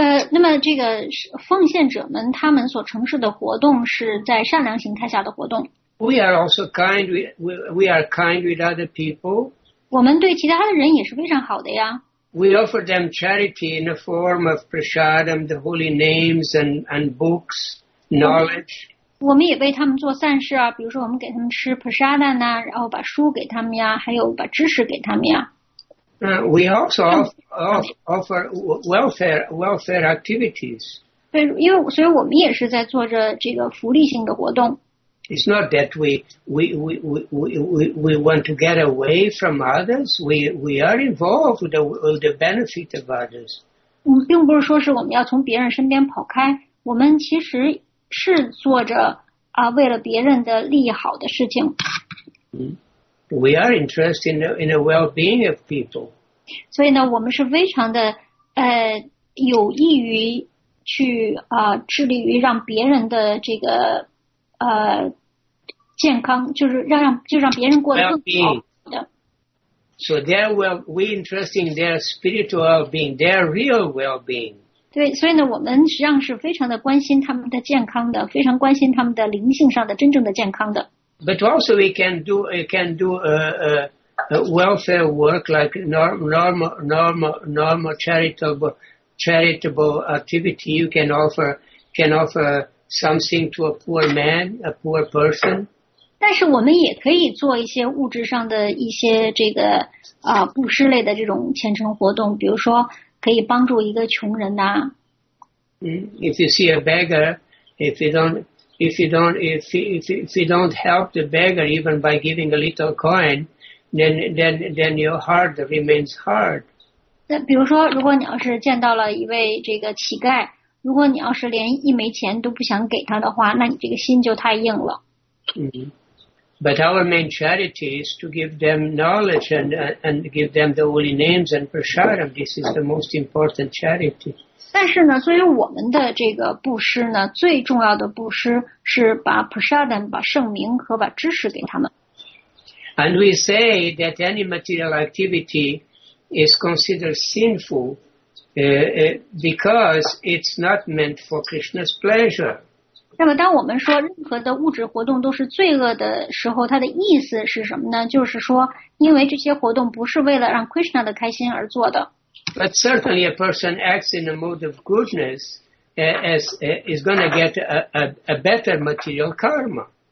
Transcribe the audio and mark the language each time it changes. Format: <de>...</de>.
<zh>那么这个奉献者们他们所从事的活动是在善良形态下的活动。</zh> <en>We are also kind. We are kind with other people.</en> <zh>我们对其他的人也是非常好的呀。</zh> <en>We offer them charity in the form of prasadam, the holy names and books, knowledge.</en> <zh>我们也为他们做善事啊，比如说我们给他们吃 prasadam 呐，然后把书给他们呀，还有把知识给他们呀。</zh> <en>We also offer welfare activities.</en> <zh>对，因为所以我们也是在做着这个福利性的活动。</zh> <en>It's not that we want to get away from others. We are involved with the benefit of others.</en> <zh>并不是说是我们要从别人身边跑开，我们其实是做着为了别人的利益好的事情。</zh> <en>We are interested in the well-being of people.</en> <zh>所以呢，我们是非常的有益于去致力于让别人的这个。健康就是让别人过得更好。</zh> <en>So their well, we interesting their spiritual well-being, their real well-being.</en> <zh>对，所以呢，我们实际上是非常的关心他们的健康的，非常关心他们的灵性上的真正的健康的。</zh> <en>But also we can do welfare work like normal charitable activity. You can offer something to a poor man, a poor person.</en> <zh>但是我们也可以做一些物质上的一些这个啊布施类的这种虔诚活动，比如说可以帮助一个穷人呐。</zh> <en>嗯 ，if you see a beggar, if you don't help the beggar even by giving a little coin, then your heart remains hard.</en> <zh>那比如说，如果你要是见到了一位这个乞丐，如果你要是连一枚钱都不想给他的话，那你这个心就太硬了。</zh> <en>But our main charity is to give them knowledge and give them the holy names and prasadam. This is the most important charity.</en> <zh>但是呢，作为我们的这个布施呢，最重要的布施是把 prasadam、把圣名和把知识给他们。</zh> <en>And we say that any material activity is considered sinful, because it's not meant for Krishna's pleasure.</en> <zh>那么当我们说任何的物质活动都是罪恶的时候，它的意思是什么呢？就是说因为这些活动不是为了让 Krishna 的开心而做的。</zh> <en>But certainly a person acts in a mode of goodness is going to get a better material karma.</en>